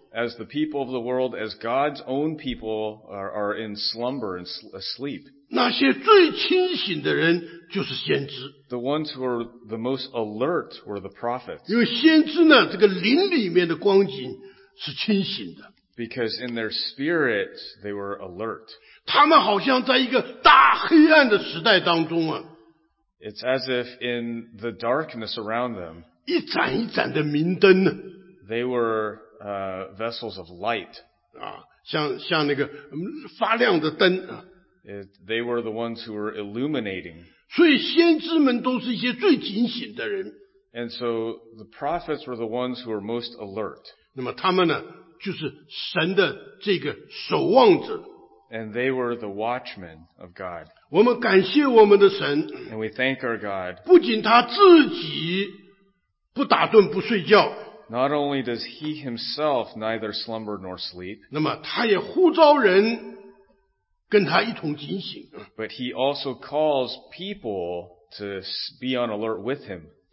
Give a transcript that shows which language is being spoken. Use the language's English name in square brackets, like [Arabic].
[English] as the people of the world, as God's own people are in slumber and asleep, [Chinese] 那些最清醒的人就是先知。 [English] The ones who were the most alert were the prophets. [Chinese] 因为先知呢, 这个灵里面的光景是清醒的。 [English] Because in their spirit, they were alert. [Chinese] 他们好像在一个大黑暗的时代当中啊, [English] it's as if in the darkness around them, [Chinese] 一盏一盏的明灯, [English] they were vessels of light. [Chinese] 啊, 像那个发亮的灯, [English] they were the ones who were illuminating. [Chinese] 所以先知们都是一些最警醒的人。 [English] And so the prophets were the ones who were most alert. [Chinese] 那么他们呢, 就是神的这个守望者。 [English] And they were the watchmen of God. [Chinese] 我们感谢我们的神。 [English] And we thank our God. [Chinese] 不仅他自己不打盹不睡觉。 [English] Not only does he himself neither slumber nor sleep, [Chinese] 那么他也呼召人, 跟他一同警醒, [English] but he also calls people to be on alert with him.